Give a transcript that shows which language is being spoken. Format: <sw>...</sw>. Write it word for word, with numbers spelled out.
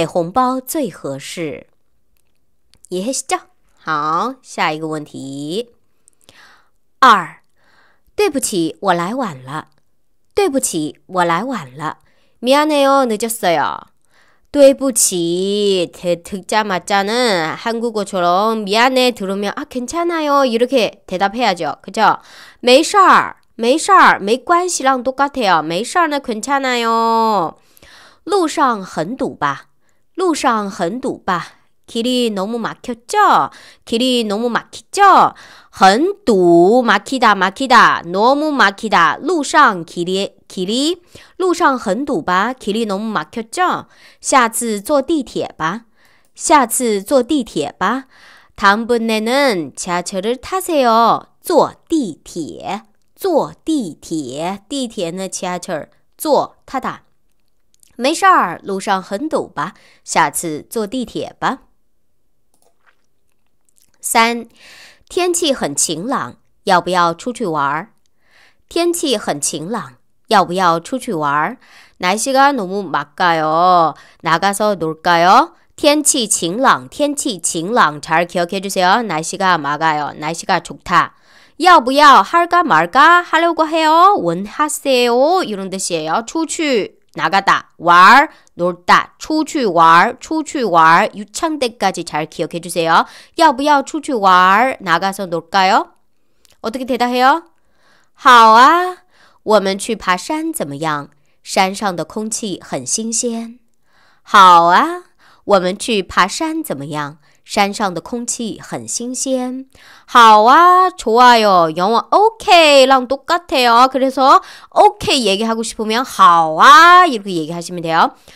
<zh>不知道他喜欢什么，给红包最合适.</zh> <ko>이해하시죠?</ko> <zh>好, 下一个问题.</zh> <ko>二.</ko> <zh>对不起，我来晚了。对不起，我来晚了。</zh> <ko>미안해요, 늦었어요. 对不起 듣자마자는 한국어처럼 미안해 들으면 아 괜찮아요 이렇게 대답해야죠. 그죠?</ko> <zh>没事儿没事儿没关系</zh> <ko>랑 똑같아요. 没事儿는 괜찮아요.</ko> <zh>路上很堵吧路上很堵吧</zh> <ko>길이 너무 막혔죠? 길이 너무 막히죠? 很堵 막히다 막히다 너무 막히다 路上 길이 길이</ko> <zh>路上很堵吧</zh> <ko>길이 너무 막혔죠?</ko> <zh>下次坐地铁吧 下次坐地铁吧</zh> <ko>다음번에는 지하철을 타세요.</ko> <zh>坐地铁 坐地铁 地铁는 지하철 坐 타다 没事儿，路上很堵吧 下次坐地铁吧 三， 天气很晴朗，要不要出去玩？天气很晴朗，要不要出去玩？</zh> <ko>날씨가 너무 맑아요. 나가서 놀까요?</ko> <zh>天气晴朗，天气晴朗</zh> <ko>잘 기억해 주세요. 날씨가 맑아요. 날씨가 좋다. 要不要 할까 말까 하려고 해요. 원하세요 이런 뜻이에요. 出去 나가다, 玩, 놀다, 出去玩, 出去玩, 유창대까지 잘 기억해 주세요.</ko> <zh>要不要出去玩,</zh> <ko>나가서 놀까요? 어떻게 대답해요?</ko> <zh>好啊,我们去爬山怎么样?山上的空气很新鲜。好啊,我们去爬山怎么样?山上的空气很新鲜。</zh> <ko>好啊, 좋아요. 영어 okay랑 똑같아요. 그래서 okay 얘기하고 싶으면 好啊 이렇게 얘기하시면 돼요.</ko>